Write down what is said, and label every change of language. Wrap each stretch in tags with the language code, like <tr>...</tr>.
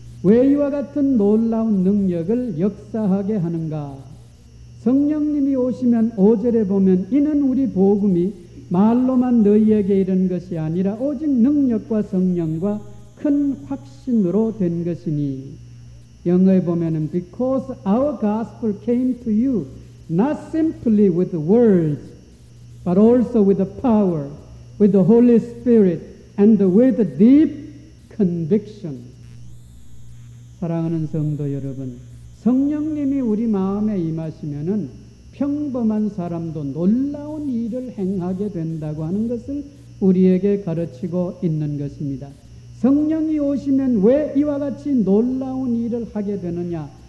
<ko>왜이와 같은 놀라운 능력을 역사하게 하는가? 성령님이 오시면 5절에 보면 이는 우리 복음이 말로만 너희에게 이른 것이 아니라 오직 능력과 성령과 큰 확신으로 된 것이니. 영어에 보면은</ko> <en>Because our gospel came to you not simply with words but also with the power, with the Holy Spirit and with deep conviction.</en> <ko>사랑하는 성도 여러분, 성령님이 우리 마음에 임하시면은 평범한 사람도 놀라운 일을 행하게 된다고 하는 것을 우리에게 가르치고 있는 것입니다. 성령이 오시면 왜 이와 같이 놀라운 일을 하게 되느냐?</ko>